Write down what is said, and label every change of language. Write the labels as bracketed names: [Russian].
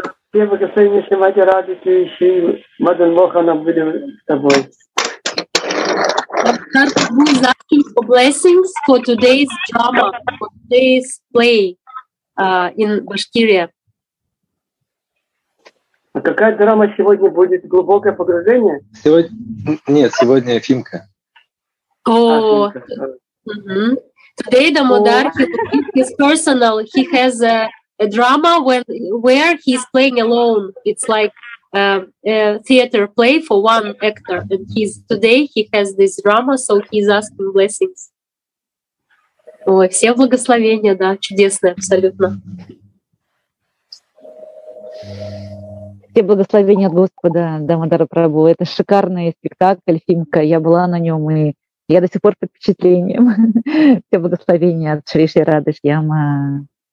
[Russian] Все благословения, если мать рады, ты еще и Мадан Моханом будем с тобой. [English] Who is asking for blessings for today's drama, for today's play in Башкирия? [Russian] А какая драма сегодня будет? Глубокое погружение? Сегодня Фимка. [English] Today the Мадар, his personal, he has a drama where he's playing alone. It's like a theater play for one actor, and today he has this drama, so he's asking blessings. [Russian] Ой, все благословения, да, чудесные абсолютно. Все благословения от Господа, Дамодара Прабу. Это шикарный спектакль, Фимка. Я была на нем, и я до сих пор под впечатлением. Все благословения от Шри Шри Рады Шьяма.